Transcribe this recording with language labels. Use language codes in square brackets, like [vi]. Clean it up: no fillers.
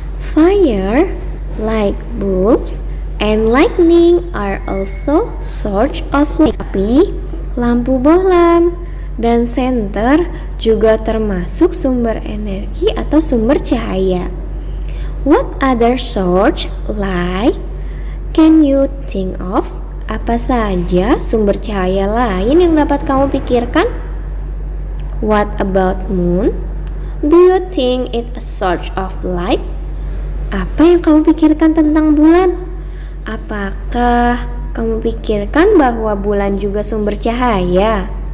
[en] Fire, light bulbs, and lightning are also source of light. [id] Api, lampu bohlam, dan senter juga termasuk sumber energi atau sumber cahaya. [en] What other source light can you think of? [id] Apa saja sumber cahaya lain yang dapat kamu pikirkan? [en] What about moon? Do you think it a source of light? [id] Apa yang kamu pikirkan tentang bulan? Apakah kamu pikirkan bahwa bulan juga sumber cahaya?